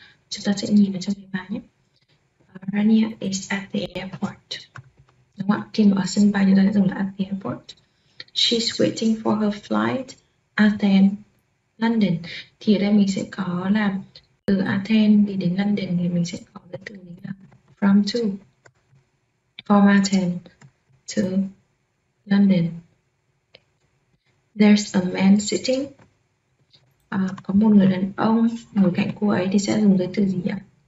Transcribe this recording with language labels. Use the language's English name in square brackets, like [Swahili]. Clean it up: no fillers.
[Vietnamese] Chúng ta sẽ nhìn ở trong bài bài nhé. [English] Rania is at the airport. [Vietnamese] Đúng không? Khi mà ở sân bay chúng ta sẽ dùng là [English] at the airport. She's waiting for her flight at the London. [Vietnamese] Thì ở đây mình sẽ có là từ Athens đi đến London thì mình sẽ có cái từ là from to. [English] From Athens to London. There's a man sitting. [Vietnamese] Có một người đàn ông ngồi cạnh cô ấy thì sẽ dùng cái từ gì ạ?